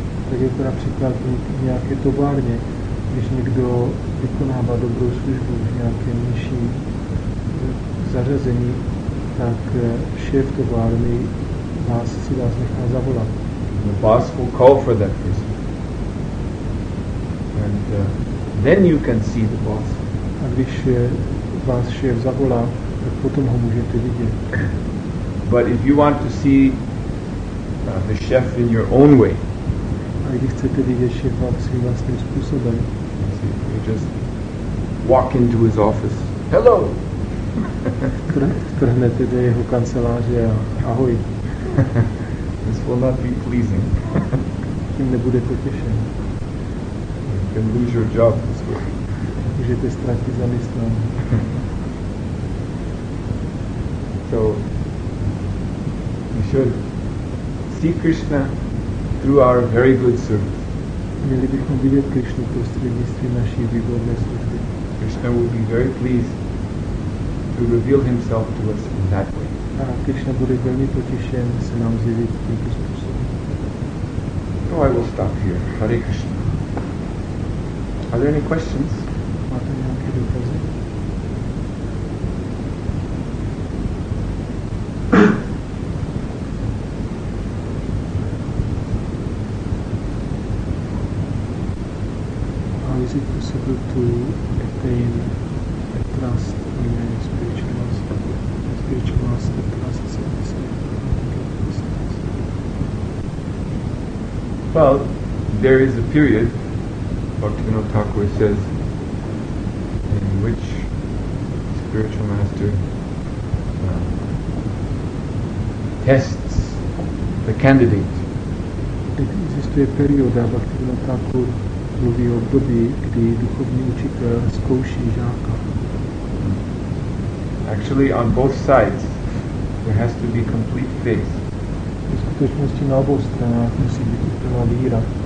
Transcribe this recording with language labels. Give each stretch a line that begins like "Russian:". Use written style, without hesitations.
Czech: Tak je to například v nějaké továrně, když někdo vykonává dobrou službu v nějaké nižší zařazení, tak šéf továrny vás si vás nechá zavolat.
English: The boss will call for that person. And then you can see the boss.
Czech: A když vás šéf zavolá, tak potom ho můžete vidět.
English: But if you want to see the chef in your own way,
Czech: a když chcete vidět šéfa svým vlastním způsobem,
English: you just walk into his office. Hello!
Czech: Vtrhnete do jeho kanceláře a ahoj.
English: This will not be pleasing.
Czech: Tím nebude potěšen.
English: You can lose your job this way.
Czech: Můžete ztratit zaměstnání.
English: So, we should see Krishna through our very good service.
Czech: Měli bychom vidět Krishnu prostřednictvím naší výborné služby.
English: Krishna will be very pleased to reveal himself to us in that way.
Czech: A Krishna bude velmi potěšen se nám zjevit tímto způsobem.
English: So I will stop here. Hare Krishna. Are there any questions?
Czech: Máte nějaké dotazy?
English: How is it possible to attain a trust in a spiritual master? A spiritual master trusts in the self. Well, there is a period, Bhaktivinoda Thakur says, in which spiritual master tests the candidate.
Czech: Existuje perioda, Bhaktivinoda Thakur mluví o období, kdy duchovní učitel zkouší žáka.
English: Actually, on both sides, there has to be complete faith.
Czech: Ve skutečnosti na obou stranách musí být úplná víra.